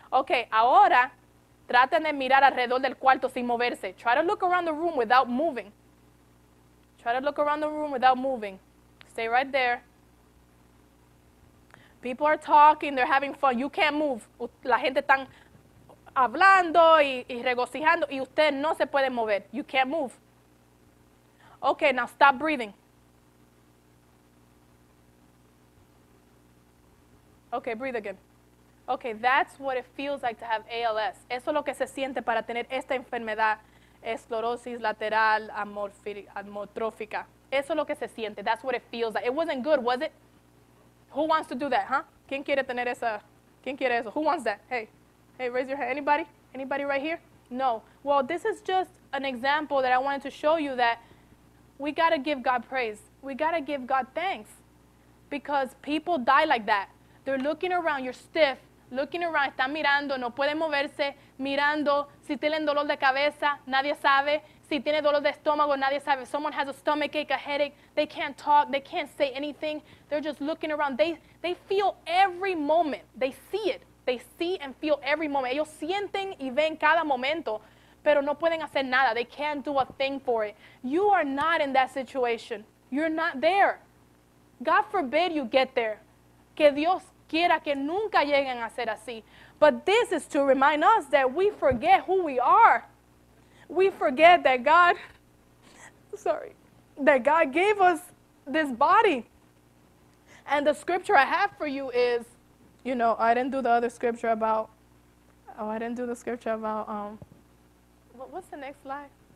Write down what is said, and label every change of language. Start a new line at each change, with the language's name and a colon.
Spanish: Okay, ahora, traten de mirar alrededor del cuarto sin moverse.
English: Try to look around the room without moving. Try to look around the room without moving. Stay right there. People are talking, they're having fun. You can't move.
Spanish: La gente están hablando y regocijando y usted no se puede mover.
English: You can't move. Okay, now stop breathing. Okay, breathe again. Okay, that's what it feels like to have ALS.
Spanish: Eso es lo que se siente para tener esta enfermedad, esclerosis lateral amiotrófica. Eso es lo que se siente.
English: That's what it feels like. It wasn't good, was it? Who wants to do that, huh?
Spanish: ¿Quién quiere tener esa? ¿Quién quiere eso?
English: Who wants that? Hey, raise your hand. Anybody? Anybody right here? No. Well, this is just an example that I wanted to show you that we got to give God praise. We got to give God thanks because people die like that. They're looking around. You're stiff. Looking around.
Spanish: Están mirando. No puede moverse. Mirando. Si tienen dolor de cabeza, nadie sabe. Si tiene dolor de estómago, nadie sabe.
English: If someone has a stomach ache, a headache, they can't talk, they can't say anything. They're just looking around. They feel every moment. They see it. They see and feel every moment.
Spanish: Ellos sienten y ven cada momento, pero no pueden hacer nada.
English: They can't do a thing for it. You are not in that situation. You're not there. God forbid you get there.
Spanish: Que Dios quiera que nunca lleguen a ser así.
English: But this is to remind us that we forget who we are. We forget that God gave us this body. And the scripture I have for you is, you know, what's the next slide?